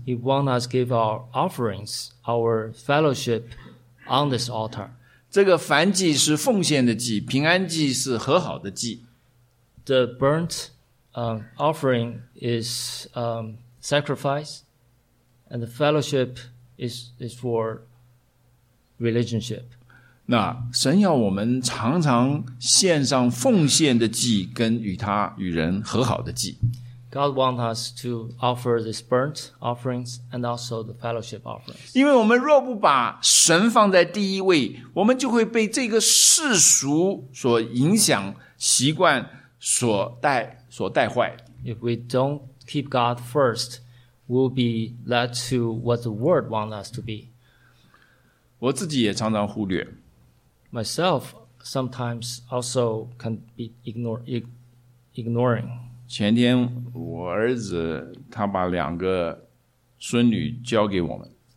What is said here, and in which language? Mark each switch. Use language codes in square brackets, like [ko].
[en] He wants us to give our offerings, our fellowship on this altar. [zh] 这个燔祭是奉献的祭，平安祭是和好的祭。 [en] The burnt offering is sacrifice, and the fellowship is for relationship. [zh] 那神要我们常常献上奉献的祭，跟与他与人和好的祭。 [en] God wants us to offer this burnt offerings and also the fellowship offerings. [zh] 因为我们若不把神放在第一位，我们就会被这个世俗所影响，习惯所带坏。 [en] If we don't keep God first, we'll be led to what the world wants us to be. [zh] 我自己也常常忽略。 [en] Myself sometimes also can be ignoring. [zh] 前天我儿子他把两个孙女交给我们。